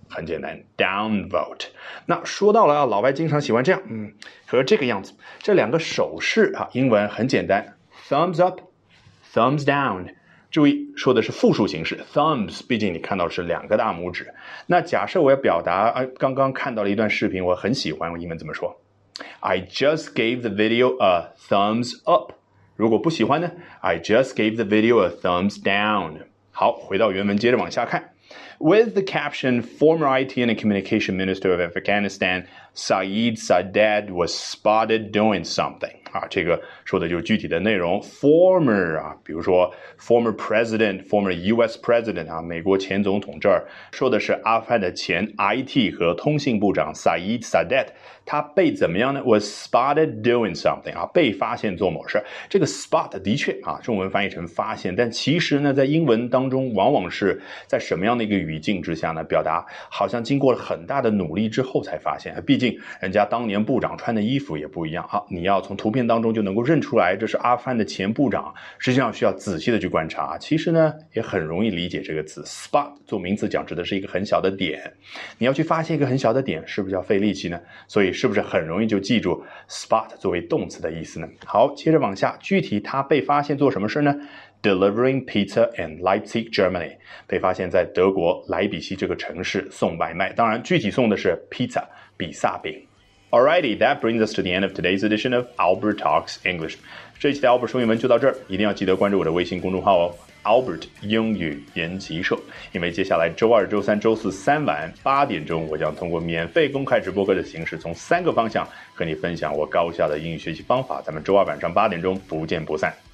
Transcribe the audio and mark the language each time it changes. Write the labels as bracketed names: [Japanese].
[Chinese] 很简单， downvote。那说到了，啊，老外经常喜欢这样，和这个样子，这两个手势，啊，英文很简单， [English] thumbs up thumbs down。 [Chinese] 注意说的是复数形式 thumbs, 毕竟你看到是两个大拇指。那假设我要表达，刚刚看到了一段视频我很喜欢，英文怎么说？ [English] I just gave the video a thumbs up. [Chinese] 如果不喜欢呢， [English] I just gave the video a thumbs down. [Chinese] 好，回到原文接着往下看。 [English] With the caption, Former IT and Communication Minister of Afghanistan, Saeed Sadat was spotted doing something. [Chinese] 啊，这个说的就是具体的内容。Former, 啊，比如说 [English] Former President, Former US President, [Chinese] 啊，美国前总统，这儿说的是阿富汗的前 IT 和通信部长 Saeed Sadat, 他被怎么样呢？ [English] Was spotted doing something, [Chinese] 啊，被发现做某事。这个 spot 的确，啊，中文翻译成发现，但其实呢，在英文当中往往是在什么样的一个语境之下呢，表达好像经过了很大的努力之后才发现，毕竟人家当年部长穿的衣服也不一样，啊，你要从图片当中就能够认出来这是阿富汗的前部长，实际上需要仔细的去观察。其实呢，也很容易理解这个词 spot 做名词讲指的是一个很小的点，你要去发现一个很小的点是不是要费力气呢？所以是不是很容易就记住 spot 作为动词的意思呢？好，接着往下，具体他被发现做什么事呢？ [English] Delivering pizza in Leipzig, Germany. [Chinese] 被发现在德国莱比锡这个城市送外卖，当然具体送的是 pizza, 比萨饼。 [English] Alrighty, that brings us to the end of today's edition of Albert Talks English. [Chinese] 这一期的 Albert 说英文就到这儿，一定要记得关注我的微信公众号哦， Albert 英语研习社。因为接下来周二、周三、周四三晚8点，我将通过免费公开直播课的形式，从三个方向和你分享我高效的英语学习方法。咱们周二晚上8点不见不散。